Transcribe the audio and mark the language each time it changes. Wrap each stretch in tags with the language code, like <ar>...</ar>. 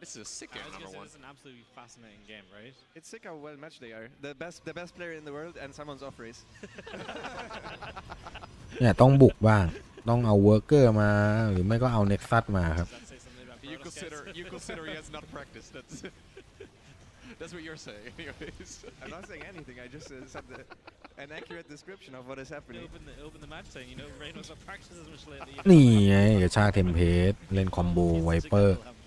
<en>This is a sick game, number one. This is an absolutely fascinating game, right? It's sick how well matched they are. The best player in the world and someone's off race.</en> <th>Yeah, ต้องบุกบ้างต้องเอาเวิร์กเกอร์มาหรือไม่ก็เอาเน็กซัสมาครับ</th> <en>You consider he has not practiced. That's what you're saying, anyways. I'm not saying anything. I just said an accurate description of what is happening. Open the match saying, you know, Rain was not practicing as much lately.</en> <th>นี่ไงชาเทมเพสเล่นคอมโบไวเปอร์</th>